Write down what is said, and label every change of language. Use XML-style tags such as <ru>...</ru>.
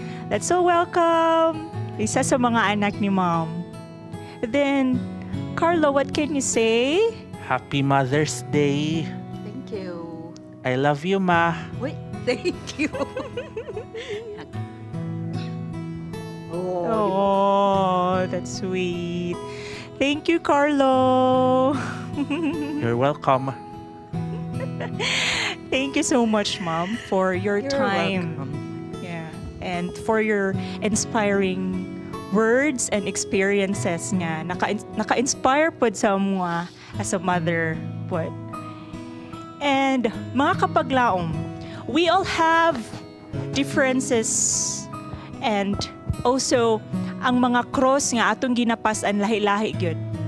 <en>Let's all welcome</en> <tl>isa sa mga anak ni</tl> <en>ma'am. Then, Carlo, what can you say? Happy Mother's Day. Thank you. I love you, ma. Wait, thank you. Oh, that's sweet. Thank you, Carlo. You're welcome. Thank you so much, Mom, for your time. Welcome. Yeah, and for your inspiring words and experiences nga.</en> <tl>Naka-inspire po sa mga as a mother po.</tl> <ceb>And mga kapaglaom,</ceb> <en>we all have differences and also,</en> <ceb>ang mga cross nga atong ginapasan lahi-lahi gyud.</ceb>